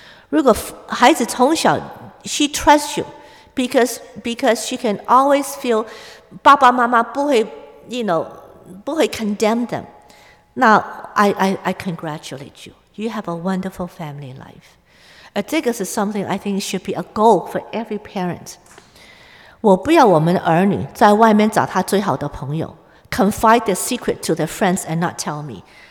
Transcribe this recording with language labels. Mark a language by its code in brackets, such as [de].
[zh] 如果孩子从小 [en] she trusts you because she can always feel [zh] 爸爸妈妈不会 [en] you know [zh] 不会 [en] condemn them. Now I congratulate you. You have a wonderful family life. And this is something I think should be a goal for every parent. [zh] 我不要我们的儿女在外面找他最好的朋友。 [en] Confide their secret to their friends and not tell me.